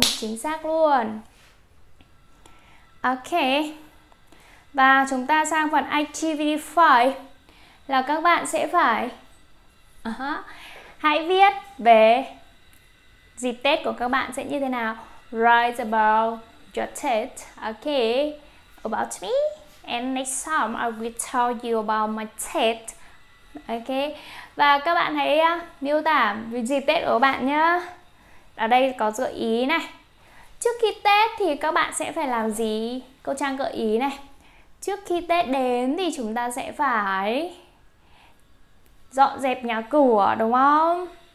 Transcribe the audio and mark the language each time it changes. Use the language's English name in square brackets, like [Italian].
[Vietnamese] Chính xác luôn. Ok. Và chúng ta sang phần activity 5 là các bạn sẽ phải hãy viết về dịp Tết của các bạn sẽ như thế nào. [English] Write about your Tết. Ok. About me. And next time I will tell you about my Tết. Ok. [Vietnamese] Và các bạn hãy miêu tả về dịp Tết của bạn nhá. Ở đây có gợi ý này. Trước khi Tết thì các bạn sẽ phải làm gì? Câu Trang gợi ý này. Trước khi Tết đến thì chúng ta sẽ phải dọn dẹp nhà cửa, đúng không?